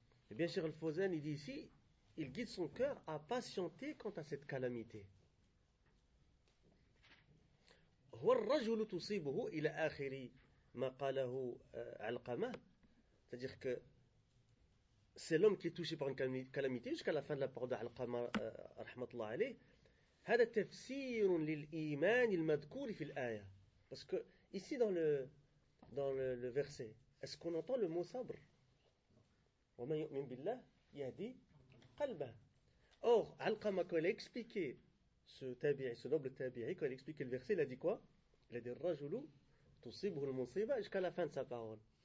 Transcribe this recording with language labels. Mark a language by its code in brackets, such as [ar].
[fr] Eh bien, Cheikh Al-Fawzan, il dit ici, il guide son cœur à patienter quant à cette calamité. [ar] وَالرَّجُلُ تُصِيبُهُ إِلَى آخِرِ مَا قَالَهُ عَلْقَمَهُ. [fr] C'est-à-dire que c'est l'homme qui est touché par une calamité jusqu'à la fin de la parole d'Al-Qama, rahmatullah alayh. [ar] هذا تفسير للإيمان المذكور في الآية. [fr] Parce que ici dans le verset, est-ce qu'on entend le mot sabr? [ar] وَمَنْ يُؤْمِنْ بِاللَّهِ يَهْدِي قَلْبَهُ. [fr] Or, Al-Qama, quand il a expliqué ce noble tabi'i, quand il a expliqué le verset, il a dit quoi? Il a dit [ar] الرَّجُلُ تُصِيبُهُ الْمُصِيبَ, [fr] jusqu'à la fin de sa parole.